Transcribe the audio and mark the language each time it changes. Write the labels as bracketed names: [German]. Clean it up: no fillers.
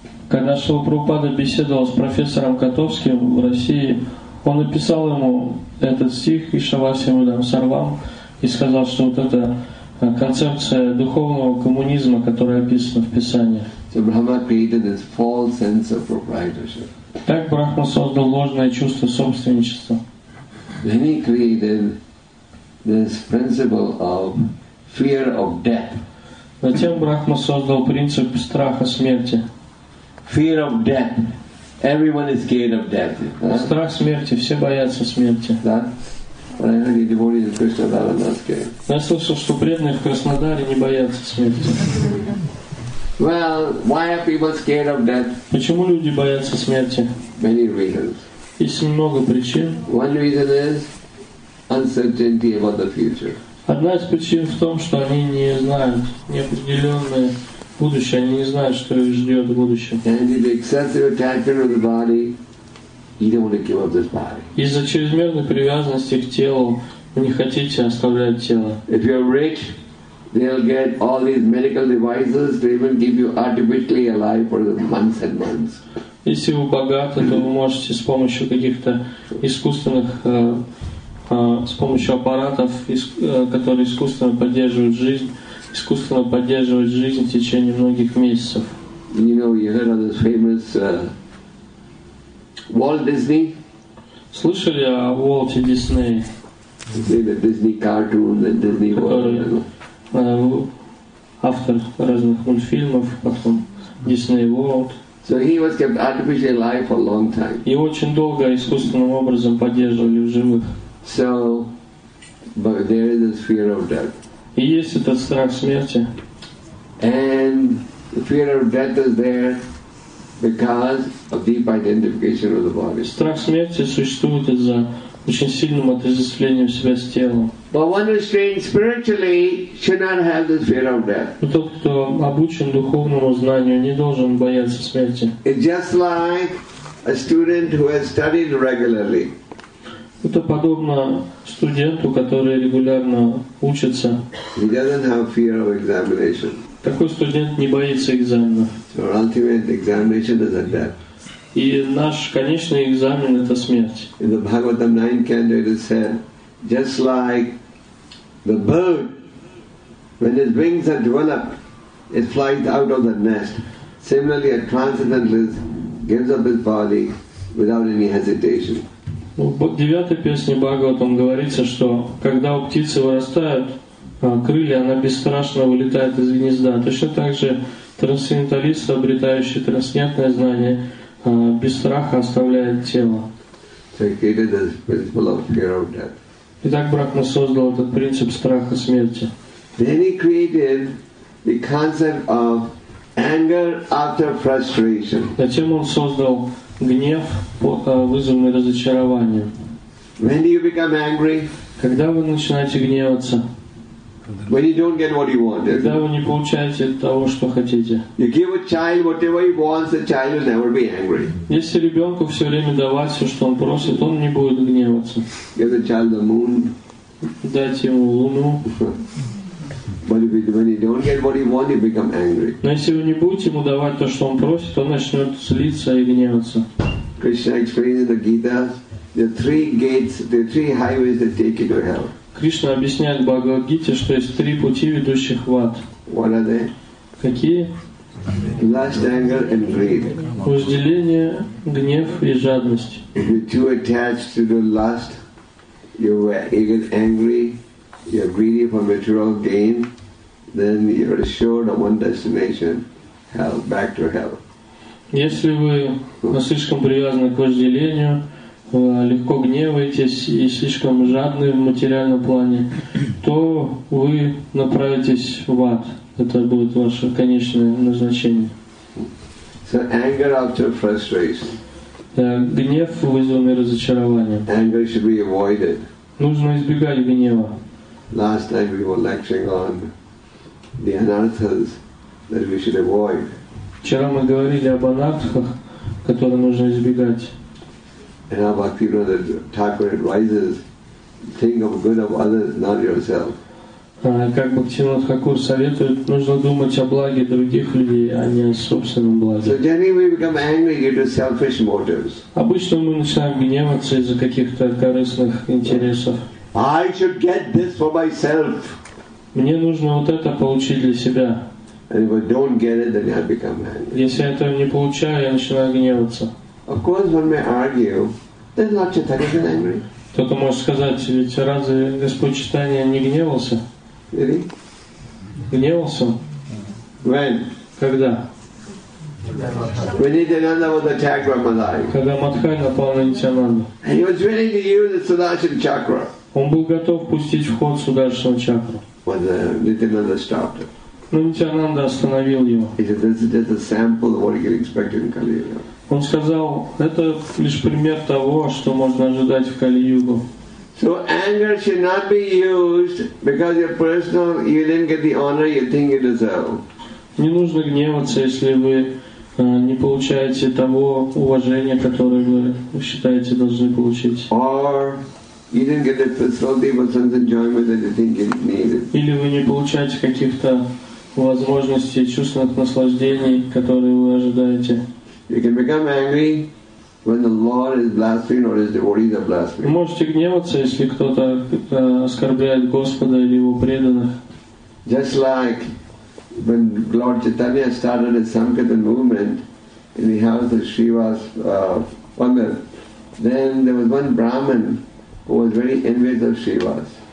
[Russian] Когда Шрила Прабхупада беседовал с профессором Котовским в России, он написал ему этот стих Ишавасимудамсарвам и сказал, что вот это концепция духовного коммунизма, которая описана в Писании. [English] So Brahma created this false sense of proprietorship. [Russian] Так Брахма создал ложное чувство собственничества. [English] Then he created this principle of fear of death. [Russian] Затем Брахма создал принцип страха смерти. [English] Fear of death. Everyone is scared of death. [Russian] Huh? Страх смерти. Все боятся смерти. Да? Правильно, девушки из Краснодара нас боятся. Я слышал, что преданные в Краснодаре не боятся смерти. [English] Well, why are people scared of death? [Russian] Почему люди боятся смерти? [English] Many reasons. [Russian] Есть много причин. [English] One reason is uncertainty about the future. [Russian] Одна из причин в том, что они не знают, неопределенные. Будущее, они не знают, что их ждет в будущем. [English] And if excessive attachment to the body, you don't want to give up this body. [Russian] Из-за чрезмерной привязанности к телу вы не хотите оставлять тело. [English] If you're rich, they'll get all these medical devices to even keep you artificially alive for months and months. [Russian] Если вы богаты, то вы можете с помощью каких-то искусственных с помощью аппаратов, которые искусственно поддерживают жизнь. Искусственно поддерживать жизнь в течение многих месяцев. [English] You know, you heard of this famous Walt Disney? [Russian] Слышали о Уолте Диснее? [English] The Disney cartoon, the Disney World. [Russian] Который, автор разных мультфильмов, потом Disney World. [English] So he was kept artificially alive for a long time. [Russian] Его очень долго искусственным образом поддерживали в живых. [English] So, but there is this fear of death. [Russian] И есть этот страх смерти. [English] And the fear of death is there because of deep identification with the body. [Russian] Страх смерти существует из-за очень сильного отождествления себя с телом. [English] But one who is trained spiritually should not have this fear of death. [Russian] Но тот, кто обучен духовному знанию, не должен бояться смерти. [English] It's just like a student who has studied regularly. [Russian] Это подобно студенту, который регулярно учится. [English] He doesn't have fear of examination. [Russian] Такой студент не боится экзамена. [English] So ultimate examination is death. [Russian] И наш конечный экзамен — это смерть. [English] In the Bhagavatam 9th canto it is said, just like the bird, when its wings are developed, it flies out of the nest. Similarly, a transcendentalist gives up his body without any hesitation. [Russian] В 9-й песне Бхагаватам говорится, что когда у птицы вырастают крылья, она бесстрашно вылетает из гнезда. Точно так же трансценденталист, обретающий трансцендентное знание, без страха оставляет тело. Итак, Брахма создал этот принцип страха смерти. [English] Then he created the concept of anger after frustration. [Russian] Затем он создал гнев, вызванный разочарованием. [English] When do you become angry? [Russian] Когда вы начинаете гневаться? [English] When you don't get what you want. [Russian] Когда вы не получаете того, что хотите. [English] You give a child whatever he wants, the child will never be angry. [Russian] Если ребенку все время давать все, что он просит, он не будет гневаться. [English] Give the child the moon. [Russian] Дать ему луну. [English] But if you, when you don't get what you want, you become angry. [Russian] Но если вы не будете ему давать то, что он просит, он начнет злиться и гневаться. [English] Krishna explains in the Gita, there are three gates, there are three highways that take you to hell. [Russian] Кришна объясняет в Бхагавад-гите, что есть три пути, ведущих в ад. [English] What are they? [Russian] Какие? [English] Lust, anger, and greed. [Russian] Вожделение, гнев и жадность. [English] If you're too attached to the lust, you get angry. You're greedy for material gain, then you're assured of one destination, hell, back to hell. [Russian] Если вы слишком привязаны к вожделению, легко гневаетесь и слишком жадны в материальном плане, то вы направитесь в ад. Это будет ваше конечное назначение. [English] So anger after frustration. [Russian] Гнев, вызванный разочарованием. [English] Anger should be avoided. [Russian] Нужно избегать гнева. [English] Last time we were lecturing on the anarthas that we should avoid. [Russian] Вчера мы говорили об анартхах, которые нужно избегать. [English] And how Bhaktivinoda Thakur advises, think of good of others, not yourself. [Russian] Как Бхактивинода Хакур советует, нужно думать о благе других людей, а не о собственном благе. [English] So generally we become angry due to selfish motives. [Russian] Обычно мы начинаем гневаться из-за каких-то корыстных интересов. [English] I should get this for myself. [Russian] Мне нужно вот это получить для себя. [English] And if I don't get it, then I become angry. [Russian] Если я этого не получаю, я начинаю гневаться. [English] Of course one may argue, then Lord Chaitanya is angry. [Russian] Кто-то может сказать, ведь разве Господь Чайтанья не гневался? [English] Really? [Russian] Гневался? [English] When? [Russian] Когда? [English] When Nityananda was attacked by Madhari. [Russian] Когда Мадхари напал на Нитянанду. [English] He was willing to use the Sudarshan chakra. [Russian] Он был готов пустить в ход Сударшану чакру. [English] But Nityananda stopped it. [Russian] Но Нитянанда остановил его. [English] He said, this is just a sample of what you can expect in Kali Yuga. [Russian] Он сказал, это лишь пример того, что можно ожидать в Кали-Югу. [English] So anger should not be used because your personal you didn't get the honor you think you deserve. [Russian] Не нужно гневаться, если вы не получаете того уважения, которое вы считаете должны получить. [English] Or you didn't get the facility for some enjoyment that you think you needed. [Russian] Или вы не получаете каких-то возможностей чувственных наслаждений, которые вы ожидаете. [English] You can become angry when the Lord is blaspheming or his devotees are blaspheming. [Russian] Вы можете гневаться, если кто-то оскорбляет Господа или его преданных. [English] Just like when Lord Chaitanya started his Sankirtan movement in the house of Shiva's father, then there was one Brahmin who was very envious of Shiva's.